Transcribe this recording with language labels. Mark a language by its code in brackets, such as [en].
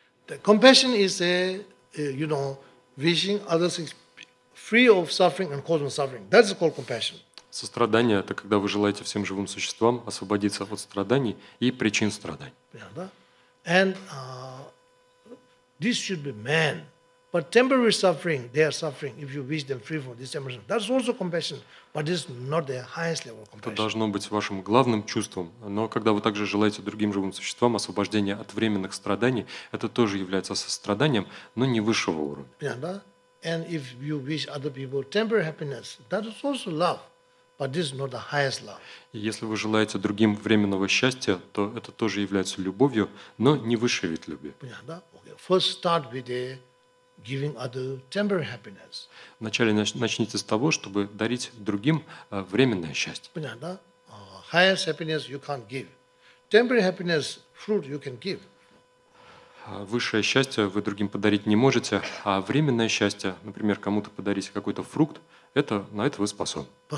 [en] The compassion is a, you know, wishing others free of suffering and causing suffering. That's called compassion. [ru] Сострадание – это когда вы желаете всем живым существам освободиться от страданий и причин страданий. Понятно, да? [en] And this should be man. But temporary suffering, they are suffering if you wish them free from this emotion. That's also compassion, but it's not the highest level of compassion. [ru] Это должно быть вашим главным чувством. Но когда вы также желаете другим живым существам освобождения от временных страданий, это тоже является состраданием, но не высшего уровня. Понятно, да? [en] And if you wish other people temporary happiness, that is also love. But this is not the highest love. [ru] Если вы желаете другим временного счастья, то это тоже является любовью, но не высший вид любви. Понятно, да? Okay. [en] First start with the giving other temporary happiness. [ru] Вначале начните с того, чтобы дарить другим временное счастье. Понятно, да? [en] Highest happiness you can't give. Temporary happiness fruit you can give. [ru] Высшее счастье вы другим подарить не можете, а временное счастье, например, кому-то подарить какой-то фрукт, это, на это вы способны.